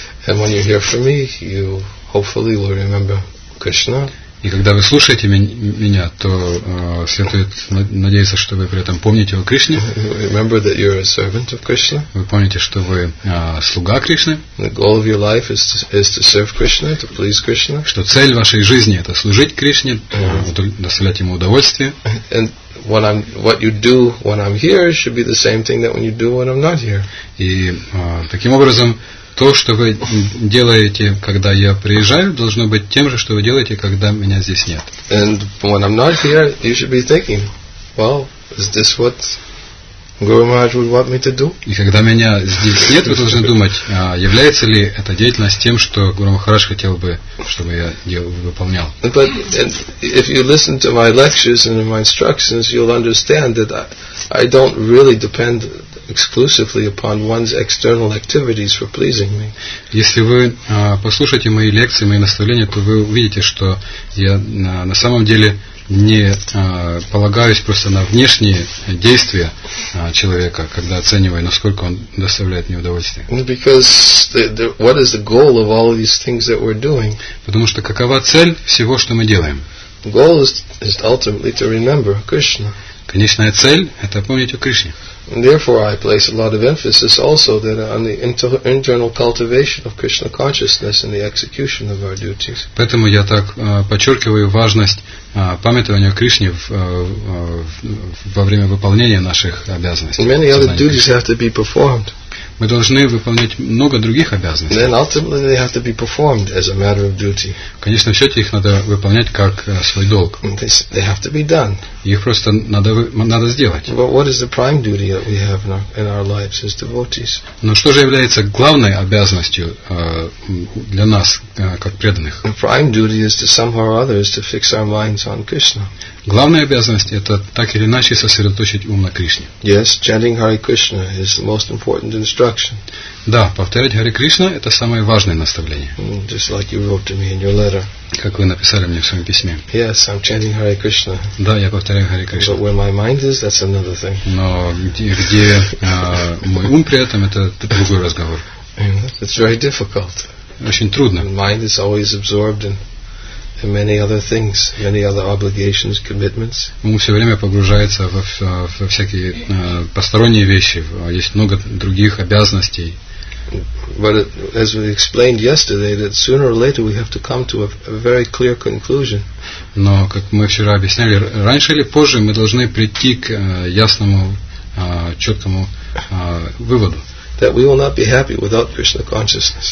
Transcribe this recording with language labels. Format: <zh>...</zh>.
<en>And when you hear from me, you hopefully will remember Krishna.</en> <ru>И когда вы слушаете меня, то следует надеяться, что вы при этом помните о Кришне.</ru> <en>Remember that you're a servant of Krishna.</en> <ru>Вы помните, что вы слуга Кришны.</ru> <en>The goal of your life is to serve Krishna, to please Krishna.</en> <ru>Что цель вашей жизни – это служить Кришне, доставлять ему удовольствие.</ru> <en>And what you do when I'm here should be the same thing that when you do when I'm not here.</en> <ru>И таким образом. То, что вы делаете, когда я приезжаю, должно быть тем же, что вы делаете, когда меня здесь нет.</ru> <en>And when I'm not here, you should be thinking, well, is this what Guru Maharaj would want me to do?</en> <ru>И когда меня здесь нет, вы должны думать, а является ли эта деятельность тем, что Гуру Махарадж хотел бы, чтобы я выполнял.</ru> <en>But if you listen to my lectures and my instructions, you'll understand that I don't really depend exclusively upon one's external activities for pleasing me.</en> <ru>Если вы послушаете мои лекции, мои наставления, то вы увидите, что я на самом деле не полагаюсь просто на внешние действия человека, когда оцениваю, насколько он доставляет мне удовольствие.</ru> <en>Because what is the goal of all these things that we're doing?</en> <ru>Потому что какова цель всего, что мы делаем?</ru> <en>The goal is ultimately to remember Krishna.</en> <ru>Конечная цель – это помнить о Кришне.</ru> <en>Therefore, I place a lot of emphasis also that on the internal cultivation of Krishna consciousness and the execution of our duties.</en> <ru>Поэтому я так подчеркиваю важность памятования о Кришне во время выполнения наших обязанностей.</ru> <en>Many other duties have to be performed.</en> <ru>Мы должны выполнять много других обязанностей.</ru> <en>Then ultimately they have to be performed as a matter of duty.</en> <ru>В конечном счете их надо выполнять как свой долг.</ru> <en>They have to be done.</en> <ru>Их просто надо сделать.</ru> <en>But what is the prime duty that we have in our lives as devotees?</en> <ru>Но что же является главной обязанностью для нас как преданных?</ru> <en>The prime duty is to somehow or other is to fix our minds on Krishna.</en> <ru>Главная обязанность – это так или иначе сосредоточить ум на Кришне.</ru> <en>Yes, chanting Hare Krishna is the most important instruction. instruction.</en> <ru>Да, повторять Харе Кришна – это самое важное наставление.</ru> <en>Just like you wrote to me in your letter.</en> <ru>Как вы написали мне в своем письме.</ru> <en>Yes, I'm chanting Hare Krishna.</en> <ru>Да, я повторяю Харе Кришна.</ru> <en>But where my mind is, that's another thing.</en> <ru>Но где мой ум при этом – это другой разговор.</ru> <en>It's very difficult.</en> <ru>Очень трудно.</ru> <en>Mind is always absorbed in many other things, many other obligations, commitments.</en> <ru>Ум все время погружается во всякие посторонние вещи. Есть много других обязанностей.</ru> <en>But as we explained yesterday, that sooner or later we have to come to a very clear conclusion.</en> <ru>Но как мы вчера объясняли, раньше или позже мы должны прийти к ясному, четкому выводу.</ru> <en>That we will not be happy without Krishna consciousness.</en>